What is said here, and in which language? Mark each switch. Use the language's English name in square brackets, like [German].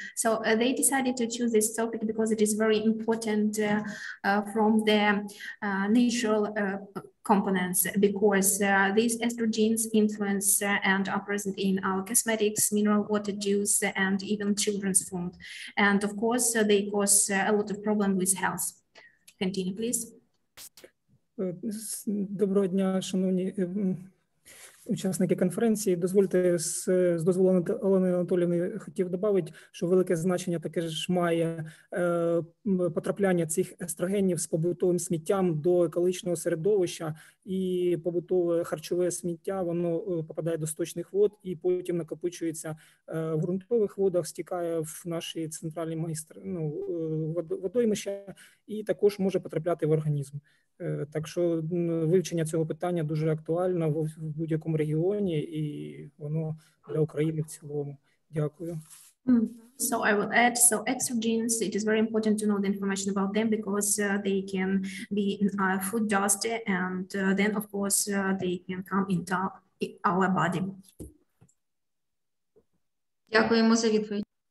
[English] So they decided to choose this topic because it is very important from the natural components, because these estrogens influence and are present in our cosmetics, mineral water juice, and even children's food. And of course, they cause a lot of problems with health. Continue, please. [Ukrainian] Доброго дня, шановні учасники конференції. Дозвольте, з дозволу Олени Анатоліївни, хотів додати, що велике значення таке ж має потрапляння цих естрогенів з побутовим сміттям до екологічного середовища, і побутове харчове сміття, воно попадає до сточних вод і потім накопичується в ґрунтових водах, стікає в наші центральні водоймища і також може потрапляти в організм. Так що вивчення цього питання дуже актуальне в будь-якому регіоні, і воно для України в цілому. Дякую. [English] So I will add, so estrogens, it is very important to know the information about them, because they can be food dust, and then of course they can come into our body. [Ukrainian] Дякуємо за відповідь.